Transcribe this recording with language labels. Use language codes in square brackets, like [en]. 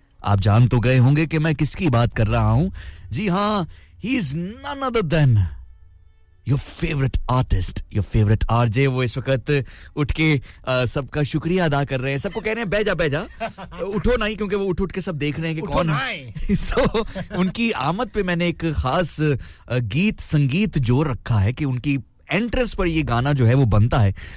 [hi] आप जान तो गए होंगे कि मैं किसकी बात कर रहा हूं. जी हां, [en] he is none other than your favorite artist, your favorite RJ. [hi] वो इस वक्त उठ के सबका शुक्रिया अदा कर रहे हैं, सबको कह रहे हैं बैठ जा उठो नहीं, क्योंकि वो उठ उठ के सब देख रहे हैं कि कौन है. सो उनकी आमद पे मैंने एक खास गीत संगीत जोर रखा है कि उनकी एंट्रेंस पर ये गाना जो है वो बनता है.